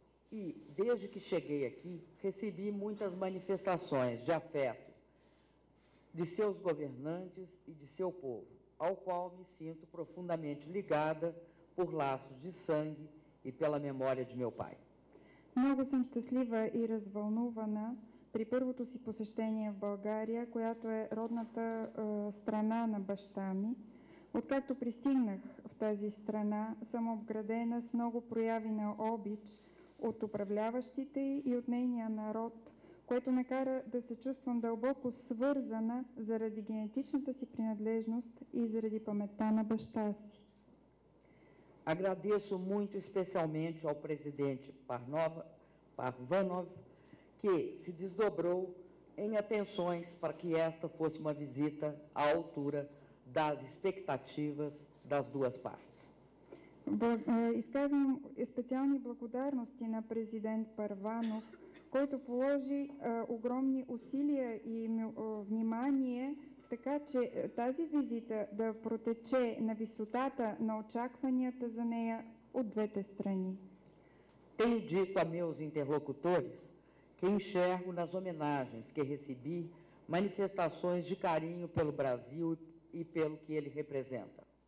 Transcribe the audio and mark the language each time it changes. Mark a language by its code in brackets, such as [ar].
[pt] E desde que cheguei aqui, recebi muitas manifestações de afeto de seus governantes e de seu povo, ao qual me sinto profundamente ligada por laços de sangue e pela memória de meu pai. [bg] Много съм щастлива и развълнувана при първото си посещение в България, която е родната страна на баща ми. Откакто пристигнах в тази страна, съм обградена с много прояви на обич от управляващите и от нейния народ, което ме кара да се чувствам дълбоко свързана заради генетичната си принадлежност и заради паметта на баща си. [pt] Agradeço muito especialmente ao presidente Parvanov, que se desdobrou em atenções para que esta fosse uma visita à altura das expectativas das duas partes. [bg] Изказвам специални благодарности на президент Парванов, който положи огромни усилия и внимание, така че тази визита да протече на висотата на очакванията за нея от двете страни. [pt] Tenho dito a meus interlocutores que enxergo nas homenagens que recebi manifestações de carinho pelo Brasil e pelo que ele representa.